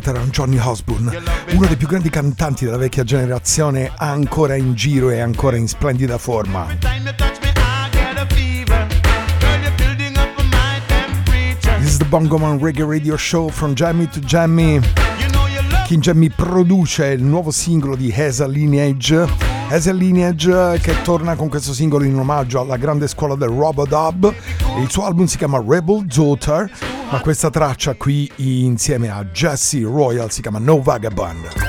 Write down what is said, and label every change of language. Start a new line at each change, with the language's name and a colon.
Italian: Johnny Osbourne, uno dei più grandi cantanti della vecchia generazione, ancora in giro e ancora in splendida forma.
English: This is the Bongoman Reggae Radio Show from Jammy to Jammy.
Italian: King Jammy produce il nuovo singolo di Heza Lineage. Heza Lineage che torna con questo singolo in omaggio alla grande scuola del Robodub. Il suo album si chiama Rebel Daughter. Ma questa traccia qui insieme a Jesse Royal si chiama No Vagabond.